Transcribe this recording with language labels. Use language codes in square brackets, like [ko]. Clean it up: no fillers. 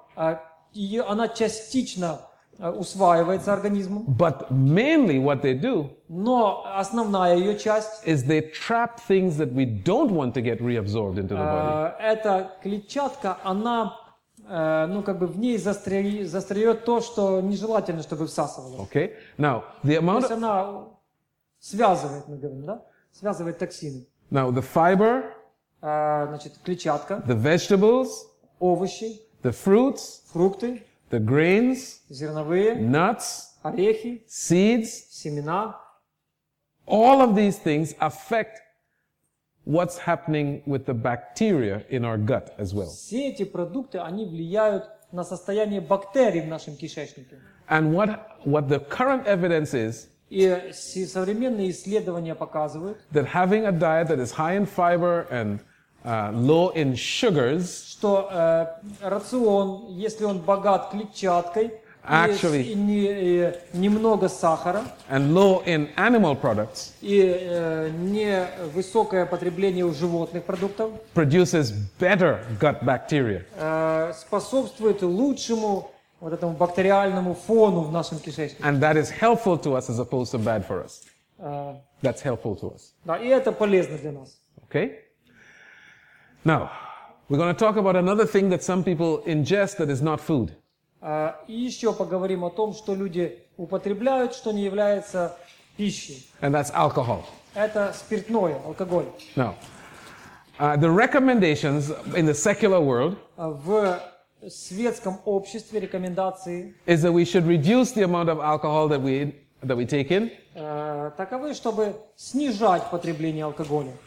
[ru] Она частично усваивается организмом. [en] But mainly what they do. [ru] Но основная ее часть. [en] Is they trap things that we don't want to get reabsorbed into the body. [ru] Эта клетчатка, она, ну как бы в ней застряет то, что нежелательно, чтобы всасывалось. [en] Okay. Now the amount. [ru] То есть она связывает, мы говорим, да? Связывает токсины. [en] Now the fiber. [ru] Значит, клетчатка. [en] The vegetables. [ru] Овощи. [en] The fruits. [ru] Фрукты. [en] The grains, [ru] зерновые, [en] nuts, [ru] орехи, [en] seeds, [ru] семена. [en] All of these things affect what's happening with the bacteria in our gut as well. [ru] Все эти продукты, они влияют на состояние бактерий в нашем кишечнике. [en] And what the current evidence is, [ru] и современные исследования показывают, [en] that having a diet that is high in fiber and low in sugars, [ru] что рацион, если он богат клетчаткой [en] actually [ru] немного сахара [en] and low in animal products [ru] и невысокое потребление у животных продуктов [en] produces better gut bacteria [ru] способствует лучшему вот этому бактериальному фону в нашем кишечнике [en] and that is helpful to us as opposed to bad for us that's helpful to us [ru] да и это полезно для нас [en] okay now we're going to talk about another thing that some people ingest that is not food [ru] И еще поговорим о том, что люди употребляют, что не является пищей. [en] And that's alcohol. [ru] Это спиртное, алкоголь. [en] No. The recommendations in the secular world [ru] в светском обществе рекомендации [en] is that we should reduce the amount of alcohol that we take in. [ru] Таковы, чтобы снижать потребление алкоголя.